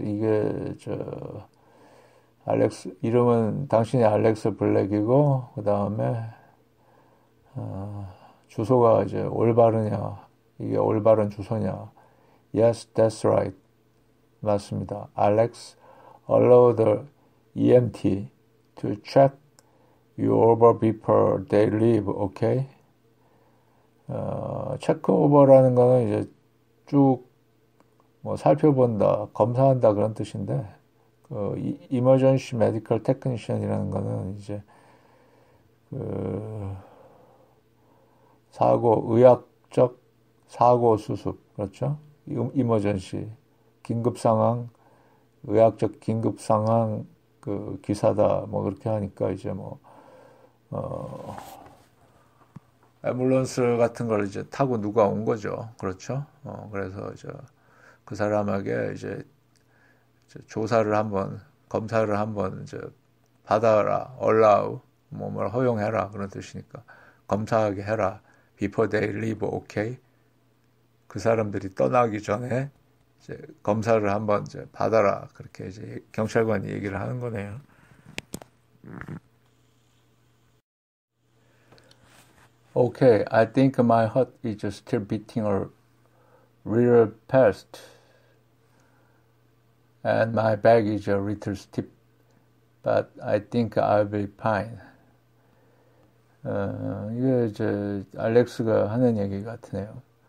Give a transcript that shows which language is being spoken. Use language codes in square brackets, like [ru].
[ko] 이게 저 알렉스 이름은 당신이 알렉스 블랙이고 그 다음에 주소가 이제 올바르냐? 이게 올바른 주소냐? [en] Yes, that's right. [ko] 맞습니다. [en] Alex, allow the EMT to check your Uber before they leave. Okay? [ko] 체크오버라는 거는 이제 쭉뭐 살펴본다, 검사한다 그런 뜻인데, 그 이머전시 메디컬 테크니션이라는 거는 이제 그 사고 의학적 사고 수습, 그렇죠? 이머전시 긴급 상황, 의학적 긴급 상황 그 기사다 뭐 그렇게 하니까 이제 뭐 앰뷸런스 같은 걸 이제 타고 누가 온 거죠. 그렇죠? 그래서 저그 사람에게 이제 조사를 한번 검사를 한번 이제 받아라. allow 뭐뭐 허용해라 그런 뜻이니까 검사하게 해라. [en] before they leave, okay? [ko] 그 사람들이 떠나기 전에 이제 검사를 한번 이제 받아라. 그렇게 이제 경찰관이 얘기를 하는 거네요. [en] 오케이, okay, I think my heart is still beating a little fast, and my back is a little stiff, but I think I'll be fine. [ko] 이게 저 알렉스가 하는 얘기 같으네요.